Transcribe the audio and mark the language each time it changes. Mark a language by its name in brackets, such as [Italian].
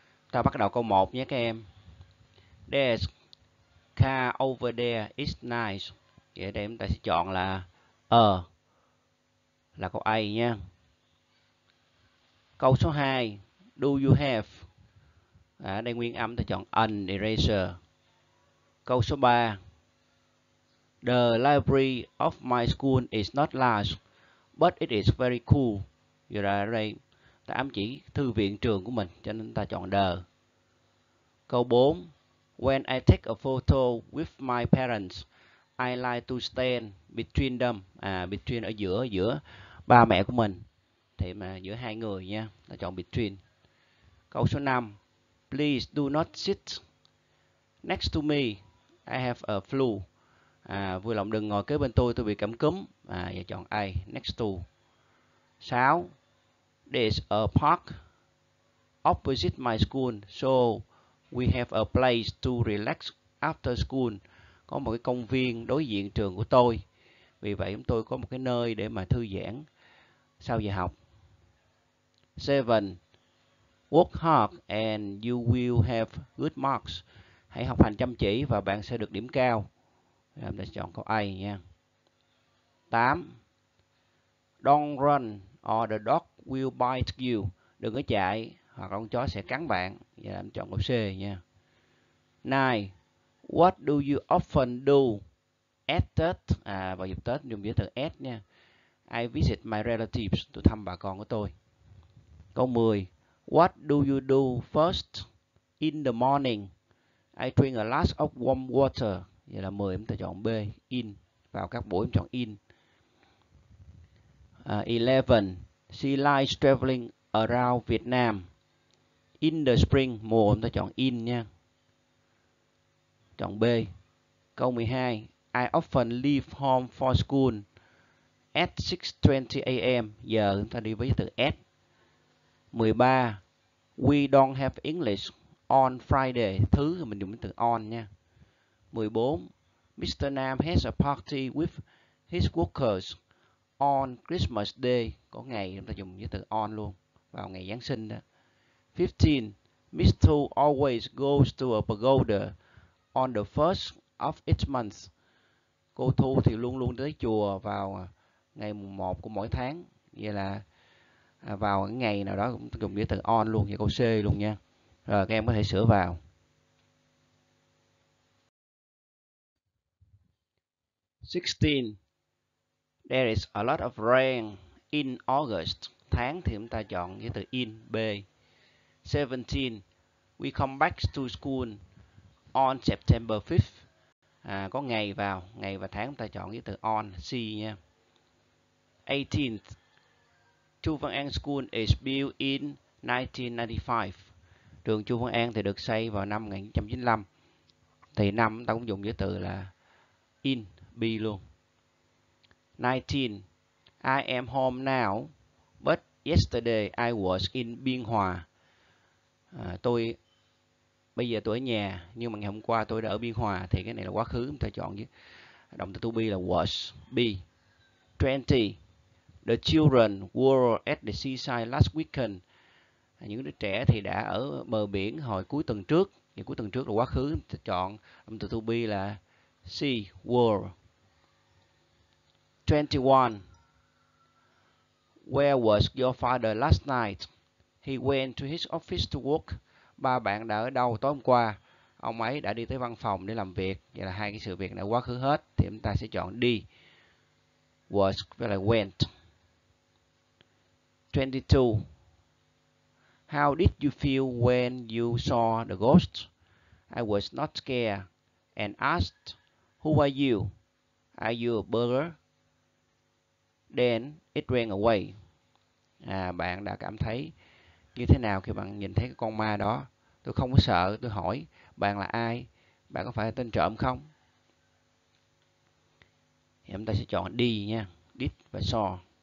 [Vietnamese] Ta bắt đầu câu 1 nhé các em. [English] There's car over there is nice. [Vietnamese] Vậy đây chúng ta sẽ chọn là A. Là câu A nha. Câu số 2. [English] Do you have? [Vietnamese] Đây nguyên âm ta chọn [English] an eraser. [Vietnamese] Câu số 3. [English] The library of my school is not large, but it is very cool. [Vietnamese] Giờ ra đây, ta ám chỉ thư viện trường của mình, cho nên ta chọn the. Câu 4. [English] When I take a photo with my parents, I like to stand between them. [Vietnamese] Between ở giữa ba mẹ của mình. Thì mà giữa hai người nha, ta chọn between. Câu số 5. [English] Please do not sit next to me. I have a flu. [Vietnamese] Vui lòng đừng ngồi kế bên tôi bị cảm cúm. Giờ chọn A, next to. 6. [English] There's a park opposite my school, so we have a place to relax after school. [Vietnamese] Có một cái công viên đối diện trường của tôi. Vì vậy chúng tôi có một cái nơi để mà thư giãn sau giờ học. 7. [English] Work hard and you will have good marks. [Vietnamese] Hãy học hành chăm chỉ và bạn sẽ được điểm cao. Em đã chọn câu A nha. 8. [English] Don't run or the dog will bite you. [Vietnamese] Đừng có chạy hoặc con chó sẽ cắn bạn. Giờ em chọn câu C nha. 9. [English] What do you often do at Tết? [Vietnamese] Vào dịp Tết dùng giới từ at nha. [English] I visit my relatives. [Vietnamese] Tôi thăm bà con của tôi. Câu 10. [English] What do you do first in the morning? I drink a glass of warm water. [Vietnamese] Vậy là 10, chúng ta chọn B, in. Vào các buổi, chúng ta chọn in. [English] 11. She likes traveling around Vietnam. In the spring, [Vietnamese] mùa, chúng ta chọn in nha. Chọn B. Câu 12. [English] I often leave home for school at 6:20 a.m. [Vietnamese] Giờ chúng ta đi với từ at. 13. [English] We don't have English on Friday, [Vietnamese] thứ mình dùng từ on nha. [English] 14. Mr. Nam has a party with his workers on Christmas Day. [Vietnamese] Có ngày chúng ta dùng với từ on luôn, vào ngày Giáng sinh đó. 15. [English] Miss Thu always goes to a pagoda on the first of each month. [Vietnamese] Cô Thu thì luôn luôn tới chùa vào ngày mùng 1 của mỗi tháng. Vậy là vào ngày nào đó cũng dùng với từ on luôn, vậy câu C luôn nha. Rồi các em có thể sửa vào. 16. [English] There is a lot of rain in August. [Vietnamese] Tháng thì chúng ta chọn cái từ in, B. 17. [English] We come back to school on September 5th. [Vietnamese] À, có ngày vào, ngày và tháng chúng ta chọn cái từ on, C nha. 18. [English] Chu Văn An School is built in 1995. [Vietnamese] Trường Chu Văn An thì được xây vào năm 1995. Thì năm ta cũng dùng cái từ là in, be luôn. 19. [English] I am home now, but yesterday I was in Biên Hòa. [Vietnamese] Bây giờ tôi ở nhà, nhưng mà ngày hôm qua tôi đã ở Biên Hòa. Thì cái này là quá khứ, chúng ta chọn với động từ to be là was, be. 20. [English] The children were at the seaside last weekend. [Vietnamese] Những đứa trẻ thì đã ở bờ biển hồi cuối tuần trước. Thì cuối tuần trước là quá khứ, ta chọn động từ to be là see, were. 21. [English] Where was your father last night? He went to his office to work. [Vietnamese] Ba bạn đã ở đâu tối hôm qua? Ông ấy đã đi tới văn phòng để làm việc. Vậy là hai cái sự việc đã quá khứ hết. Thì chúng ta sẽ chọn đi. Was với lại went. 22. [English] How did you feel when you saw the ghost? I was not scared and asked, who are you? Are you a burglar? Then it ran away. [Vietnamese] À, bạn đã cảm thấy như thế nào khi bạn nhìn thấy cái con ma đó? Tôi không có sợ, tôi hỏi, bạn là ai? Bạn có phải là tên trộm không? Thì chúng ta sẽ chọn đi nha, did và saw.